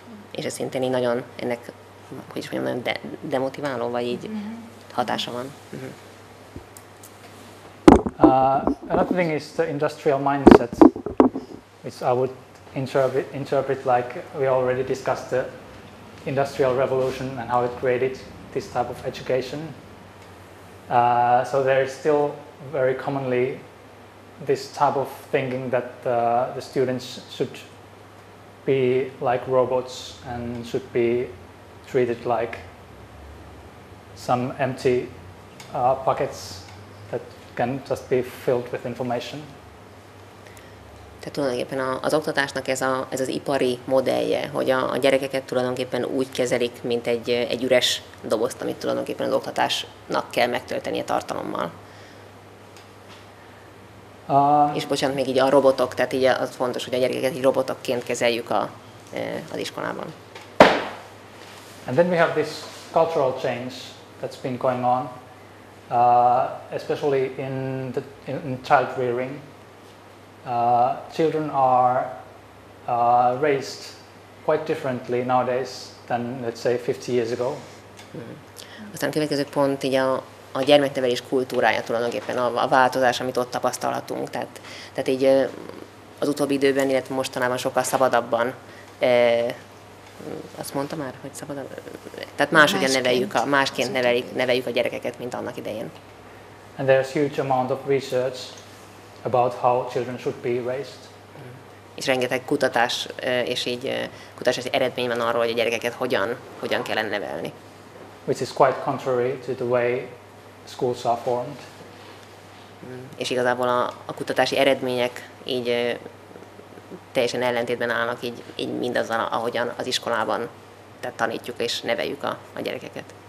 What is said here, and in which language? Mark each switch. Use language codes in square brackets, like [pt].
[hu] És ez szintén így nagyon, ennek, hogy is mondjam, nagyon demotiváló, vagy így hatása van. [en] Another thing is the industrial mindset, which I would interpret like we already discussed the industrial revolution and how it created this type of education. So there is still very commonly this type of thinking that the students should be like robots and should be treated like some empty pockets that can just be filled with information. [hu] Tehát tulajdonképpen az oktatásnak ez az ipari modellje, hogy a gyerekeket tulajdonképpen úgy kezelik, mint egy üres dobozt, amit tulajdonképpen az oktatásnak kell megtölteni a tartalommal. És bocsánat, még így a robotok, tehát így az fontos, hogy a gyerekeket így robotokként kezeljük az iskolában. [en] And then we have this cultural change that's been going on, especially in child rearing. Children are raised quite differently nowadays than, let's say, 50 years ago. [hu] Aztán a következő pont így a gyermeknevelés kultúrája tulajdonképpen, a változás, amit ott tapasztalhatunk. Tehát így az utóbbi időben, illetve mostanában sokkal szabadabban, azt mondta már, hogy szabadabb? Tehát máshogyan neveljük a gyerekeket, mint annak idején. [en] And there's huge amount of research about how children should be raised. [hu] És rengeteg kutatás és így kutatási eredmény van arról, hogy a gyerekeket hogyan kellene nevelni. [en] Which is quite contrary to the way schools are formed. [hu] És igazából a kutatási eredmények így teljesen ellentétben állnak így mindazzal, ahogyan az iskolában tanítjuk és neveljük a gyerekeket.